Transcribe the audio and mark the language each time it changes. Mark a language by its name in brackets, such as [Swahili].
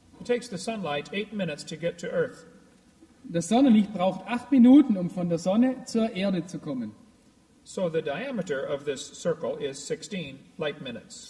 [English] It takes the sunlight 8 minutes to get to Earth. [German] Das Sonnenlicht braucht 8 Minuten, um von der Sonne zur Erde zu kommen. [English] So the diameter of this circle is 16 light minutes.